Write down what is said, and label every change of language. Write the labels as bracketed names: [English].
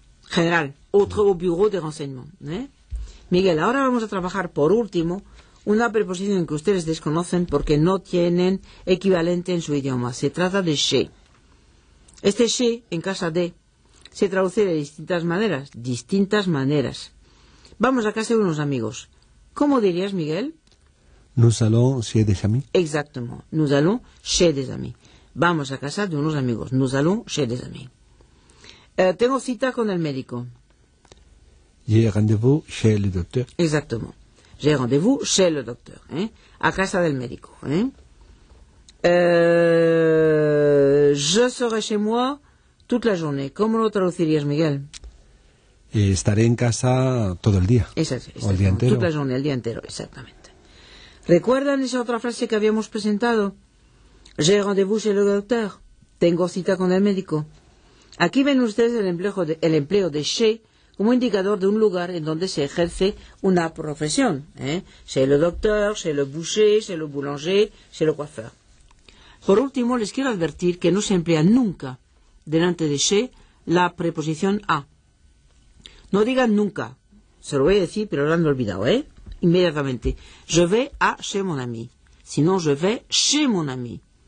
[Spanish] general, otro [French] bureau de renseignement. [Spanish] Miguel, ahora vamos a trabajar por último una preposición que ustedes desconocen porque no tienen equivalente en su idioma. Se trata de chez. Este chez, en casa de, se traduce de distintas maneras. Distintas maneras. Vamos a casa de unos amigos. ¿Cómo dirías, Miguel? [French] Nous allons chez des amis. Exactement. Nous allons chez des amis. [Spanish] Vamos a casa de unos amigos. [French] Nous allons chez des amis. [Spanish] Tengo cita con el médico. [French] J'ai rendez-vous chez le docteur. Exactement. J'ai rendez-vous chez le docteur. [Spanish] A casa del médico. [French] Je serai chez moi toute la journée. [Spanish] ¿Cómo lo traducirías, Miguel? Estaré en casa todo el día. Exacto. O el día entero. [French] Toute la journée, [Spanish] el día entero, exactamente. ¿Recuerdan esa otra frase que habíamos presentado? [French] J'ai rendez-vous chez le docteur. [Spanish] Tengo cita con el médico. Aquí ven ustedes el empleo de chez como indicador de un lugar en donde se ejerce una profesión. [French] Chez le docteur, chez le boucher, chez le boulanger, chez le coiffeur. [Spanish] Por último, les quiero advertir que no se emplea nunca delante de chez la preposición a. No digan nunca. Se lo voy a decir, pero lo han olvidado, Inmediatamente. [French] Je vais à chez mon ami. Sinon, je vais chez mon ami.